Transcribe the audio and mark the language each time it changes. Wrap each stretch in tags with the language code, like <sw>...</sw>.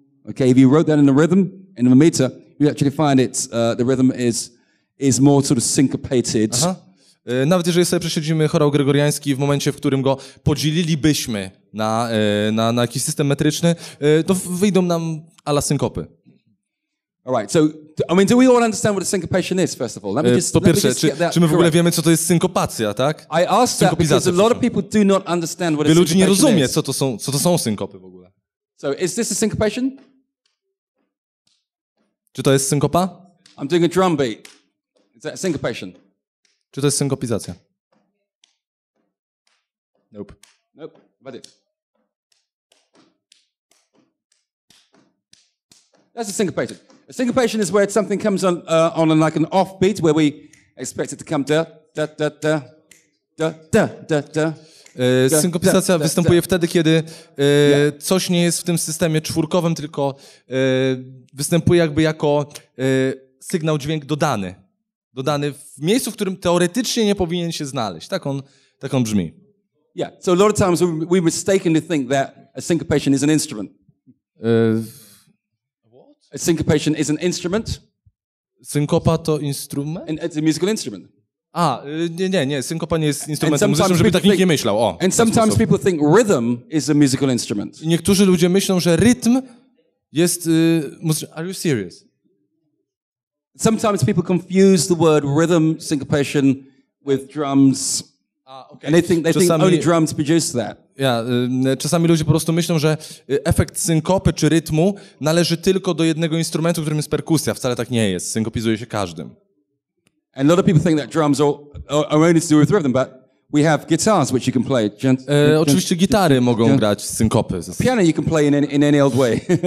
<en>Okay, if you wrote that in the rhythm in the meter, you actually find it the rhythm is more sort of syncopated.</en> <pl>Nawet jeżeli sobie prześledzimy chorał gregoriański w momencie, w którym go podzielilibyśmy na jakiś system metryczny, to wyjdą nam a la synkopy.</pl> <en>All right. So I mean, do we all understand what a syncopation is, first of all? Let me just,</en> <pl>po pierwsze, czy my w ogóle wiemy, co to jest synkopacja, tak?</pl> <en>I ask that because a lot of people do not understand what a is.</en> <pl>Wielu ludzi nie rozumie, co to są synkopy w ogóle.</pl> <en>So is this a syncopation?</en> <pl>Czy to jest synkopa?</pl> <en>I'm doing a drum beat. Is that a syncopation?</en> <pl>Czy to jest synkopizacja?</pl> <en>Nope. Nope. What is it? That's a syncopation. A syncopation is where something comes on like an offbeat where we expect it to come da da da da da da da da.</en> <pl>Synkopizacja występuje wtedy, kiedy coś nie jest w tym systemie czwórkowym, tylko występuje jakby jako sygnał dźwięk dodany. Dodany w miejscu, w którym teoretycznie nie powinien się znaleźć. Tak on brzmi.</pl> <en>Yeah, so a lot of times we mistakenly think that a syncopation is an instrument. What? A syncopation is an instrument.</en> <pl>Synkopa to instrument?</pl> <en>And it's a musical instrument.</en> <pl>A, nie, synkopa nie jest instrumentem muzycznym, żeby tak nikt nie myślał. O,</pl> <en>and sometimes people think rhythm is a musical instrument.</en> <pl>Niektórzy ludzie myślą, że rytm jest muzycznym.</pl> <en>Are you serious? Sometimes people confuse the word rhythm, syncopation with drums. And they think only drums produce that.</en> <pl>Yeah, czasami ludzie po prostu myślą, że efekt synkopy czy rytmu należy tylko do jednego instrumentu, którym jest perkusja. Wcale tak nie jest. Synkopizuje się każdym.</pl> <en>And a lot of people think that drums are only to do with rhythm, but we have guitars which you can play.</en> <pl>Oczywiście gitary mogą grać synkopy.</pl> <en>Piano you can play in any old way.</en>